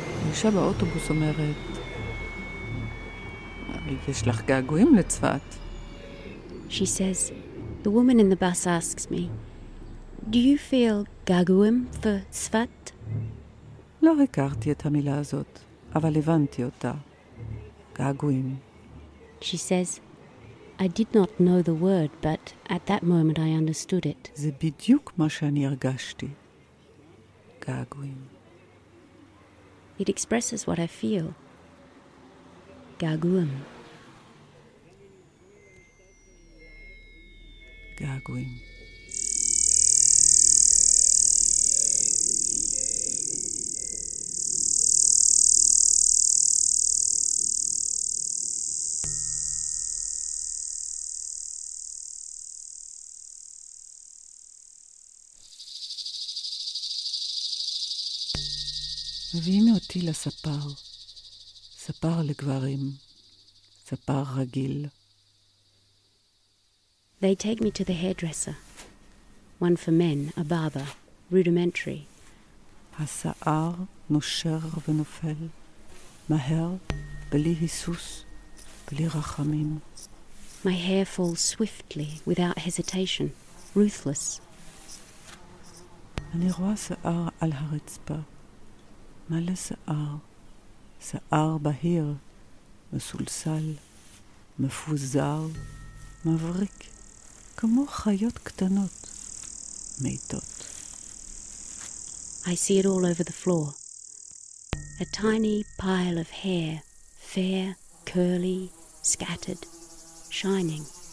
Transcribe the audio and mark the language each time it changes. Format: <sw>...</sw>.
<he>אישה באוטובוס אומרת, יש לך געגועים לצפת?</he> <en>She says, the woman in the bus asks me, do you feel געגועים for Tzfat?</en> <he>לא הכרתי את המילה הזאת, אבל הבנתי אותה. געגועים.</he> <en>She says, I did not know the word, but at that moment I understood it.</en> <he>זה בדיוק מה שאני הרגשתי. געגועים.</he> <en>It expresses what I feel.</en> <he>געגועים. געגועים. מביאים אותי לספר, ספר לגברים, ספר רגיל.</he> <en>They take me to the hairdresser, one for men, a barber, rudimentary.</en> <he>השיער נושר ונופל, מהר, בלי היסוס, בלי רחמים.</he> <en>My hair falls swiftly, without hesitation, ruthless.</en> <he>אני רואה שיער על הרצפה. מלא שיער, שיער בהיר, מסולסל, מפוזר, מבריק, כמו חיות קטנות, מיטות.</he> <en>I see it all over the floor. A tiny pile of hair, fair, curly, scattered, shining.</en>